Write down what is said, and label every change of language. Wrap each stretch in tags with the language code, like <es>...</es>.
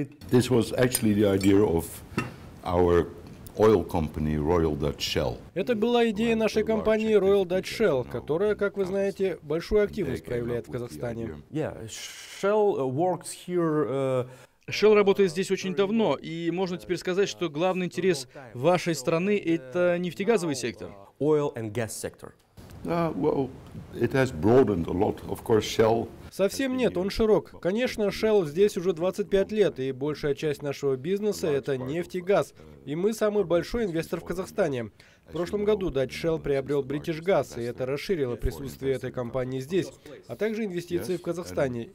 <en>This was actually the idea of our oil company Royal Dutch Shell.</en> <ru>Это была идея нашей компании Royal Dutch Shell, которая, как вы знаете, большую активность проявляет в Казахстане.</ru> <en>Shell works here...</en> <ru>Shell работает здесь очень давно, и можно теперь сказать, что главный интерес вашей страны — это нефтегазовый сектор.</ru> <en>Oil and gas sector. Well, it has broadened a lot, of course, Shell.</en> <ru>Совсем нет, он широк. Конечно, Shell здесь уже 25 лет, и большая часть нашего бизнеса — это нефть и газ. И мы самый большой инвестор в Казахстане. В прошлом году Dutch Shell приобрел British Gas, и это расширило присутствие этой компании здесь, а также инвестиции в Казахстане.</ru>